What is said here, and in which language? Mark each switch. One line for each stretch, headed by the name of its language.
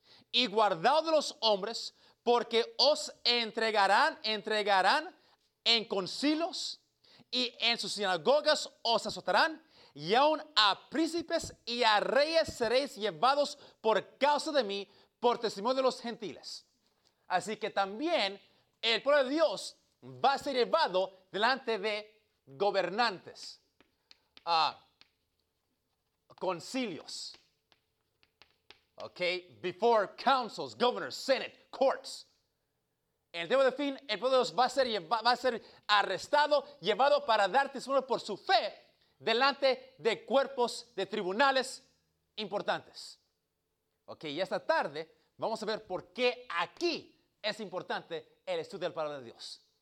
Spanish: Y guardaos de los hombres, porque os entregarán en concilios, y en sus sinagogas os azotarán, y aun a príncipes y a reyes seréis llevados por causa de mí, por testimonio de los gentiles. Así que también el pueblo de Dios va a ser llevado delante de gobernantes, concilios, ¿ok?
English: Before councils, governors, senate, courts.
Spanish: En el tiempo de fin, el pueblo de Dios va a ser arrestado, llevado para dar testimonio por su fe delante de cuerpos de tribunales importantes. Ok, y esta tarde vamos a ver por qué aquí es importante el estudio de la palabra de Dios.